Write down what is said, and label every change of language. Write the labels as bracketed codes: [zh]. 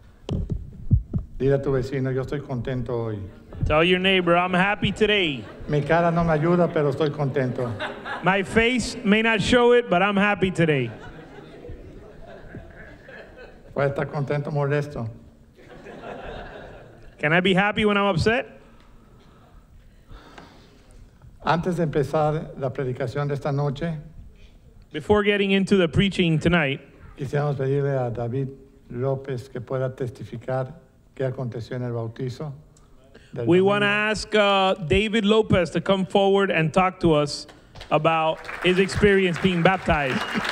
[es] Dile a tu vecino, yo estoy contento hoy. [en] Tell your neighbor, I'm happy today. [es] Mi cara no me ayuda, pero estoy contento. [en] My face may not show it, but I'm happy today. [es] Voy a estar contento, molesto. [en] Can I be happy when I'm upset? [es] Antes de empezar la predicación de esta noche, [en] before getting into the preaching tonight, [es] quisiéramos pedirle a David López que pueda testificar qué aconteció en el bautizo. [en] We want to ask David López to come forward and talk to us about his experience being baptized.